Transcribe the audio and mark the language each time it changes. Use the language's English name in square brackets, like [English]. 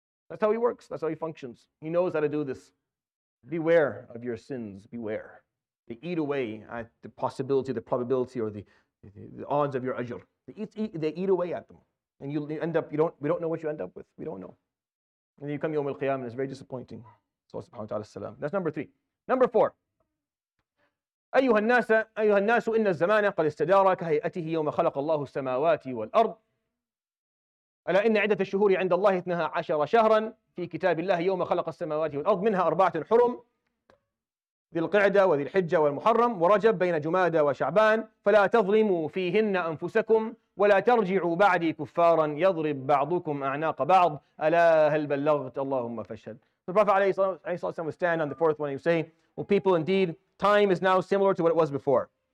[English] That's how he works. That's how he functions. He knows how to do this. Beware of your sins. Beware. They eat away at the possibility, the probability, or the odds of your ajr. They eat away at them. And you end up, we don't know what you end up with. We don't know. And then you come yawm al-qiyam and it's very disappointing. Subhanahu wa ta'ala salam. That's number three. Number four. [Arabic] أيها الناس إن الزمان قد استدار كهيئته يوم خلق الله السماوات والأرض ألا إن عدة الشهور عند الله 12 شهرا في كتاب الله يوم خلق السماوات والأرض منها أربعة حرم ذي القعدة وذي الحجة والمحرم ورجب بين جمادى وشعبان فلا تظلموا فيهن أنفسكم ولا ترجعوا بعدي كفارا يضرب بعضكم أعناق بعض ألا هل بلغت اللهم فاشهد. [English] The Prophet ﷺ was standing on the fourth one and he was saying, well, people, indeed, time is now similar to what it was before.